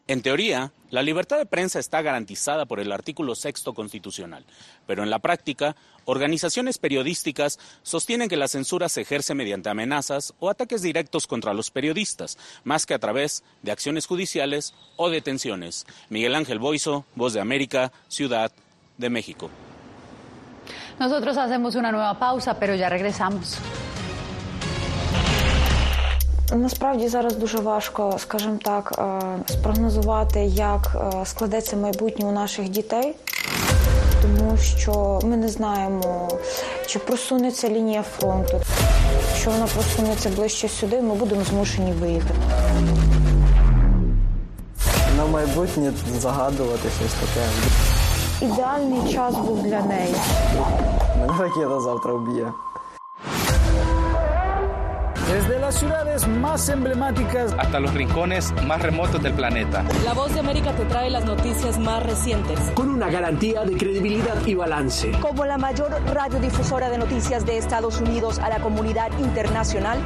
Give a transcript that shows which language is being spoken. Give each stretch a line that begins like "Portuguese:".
Spanish: En teoría, la libertad de prensa está garantizada por el artículo 6 constitucional, pero en la práctica, organizaciones periodísticas sostienen que la censura se ejerce mediante amenazas o ataques directos contra los periodistas, más que a través de acciones judiciales o detenciones. Miguel Ángel Boiso, Voz de América, Ciudad de México. Nosotros hacemos una nueva pausa, pero ya regresamos.
Ukrainian: Насправді зараз дуже важко, скажімо так, спрогнозувати, як складеться майбутнє у наших дітей, тому що ми не знаємо, чи просунеться лінія фронту. Якщо вона просунеться ближче сюди, ми будемо змушені виїхати. На майбутнє загадувати щось таке. Ідеальний час був для неї. Мене ракета завтра вб'є.
Spanish: Desde las ciudades más emblemáticas hasta los rincones más remotos del planeta. La Voz de América te trae las noticias más recientes. Con una garantía de credibilidad y balance. Como la mayor radiodifusora de noticias de Estados Unidos a la comunidad internacional.